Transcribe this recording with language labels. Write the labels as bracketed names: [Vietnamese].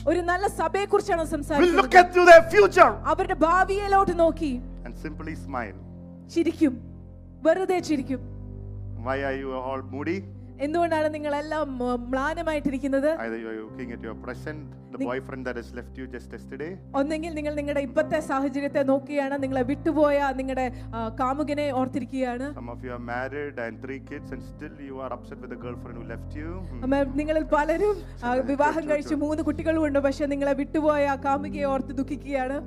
[Malayalam] ഒരു നല്ല സഭയെ കുറിച്ചാണ് സംസാരിക്കുന്നത്. [English] Will look at their future. [Malayalam] അവരുടെ ഭാവിയിലോട്ട് നോക്കി. [English] And simply smile. [Malayalam] ചിരിക്കും. വെറുതെ ചിരിക്കും. [English] Why are you all moody? [Malayalam] എന്തുകൊണ്ടാണ് നിങ്ങൾ എല്ലാം മ്ലാനമായിട്ടിരിക്കുന്നത്? [English] Either you are looking at your present, the boyfriend that has left you just yesterday. [Malayalam] ഒന്നെങ്കിൽ നിങ്ങൾ നിങ്ങളുടെ ഇപ്പോഴത്തെ സാഹചര്യത്തെ നോക്കിയാണ്, നിങ്ങളെ വിട്ടുപോയ നിങ്ങളുടെ കാമുകനെ ഓർത്തിരിക്കുകയാണ്. [English] Some of you are married and 3 kids and still you are upset with the girlfriend who left you. [Malayalam] നിങ്ങളിൽ പലരും വിവാഹം കഴിച്ച് 3 കുട്ടികളും ഉണ്ട്, പക്ഷേ നിങ്ങളെ വിട്ടുപോയ കാമുകിയെ ഓർത്ത് ദുഃഖിക്കുകയാണ്.